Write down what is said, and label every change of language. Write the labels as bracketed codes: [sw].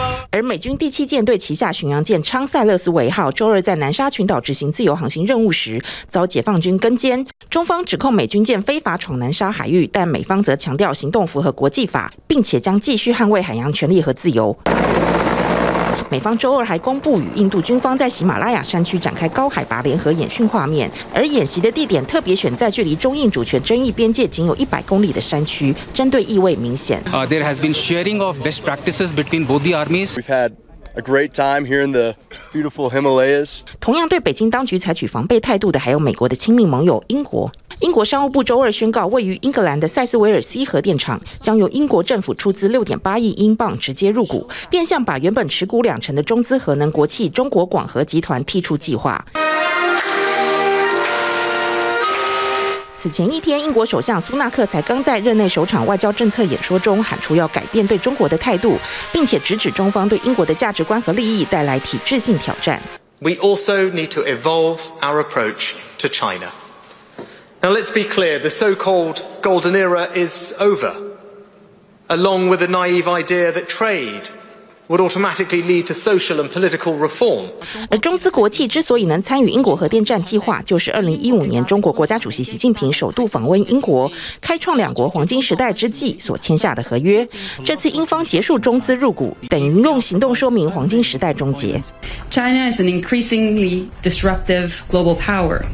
[zh] 而美军第七舰队旗下巡洋舰昌塞勒斯维号周二在南沙群岛执行自由航行任务时遭解放军跟监，中方指控美军舰非法闯南沙海域，但美方则强调行动符合国际法，并且将继续捍卫海洋权利和自由。美方周二还公布与印度军方在喜马拉雅山区展开高海拔联合演训画面，而演习的地点特别选在距离中印主权争议边界仅有100公里的山区，针对意味明显。 [en] There has been sharing of best practices between both the armies. We've had a great time here in the beautiful Himalayas. [zh] 同样对北京当局采取防备态度的还有美国的亲密盟友英国。英国商务部周二宣告，位于英格兰的塞斯维尔西核电厂将由英国政府出资6.8亿英镑直接入股，变相把原本持股20%的中资核能国企中国广核集团踢出计划。此前一天，英国首相苏纳克才刚在任内首场外交政策演说中喊出要改变对中国的态度，并且直指中方对英国的价值观和利益带来体制性挑战。 [en] We also need to evolve our approach to China. Now let's be clear, the so-called golden era is over, along with the naive idea that trade would automatically lead to social and political reform. [zh] 而中资国企之所以能参与英国核电站计划，就是2015年中国国家主席习近平首度访问英国，开创两国黄金时代之际所签下的合约。这次英方结束中资入股，等于用行动说明黄金时代终结。 [en] China is an increasingly disruptive global power.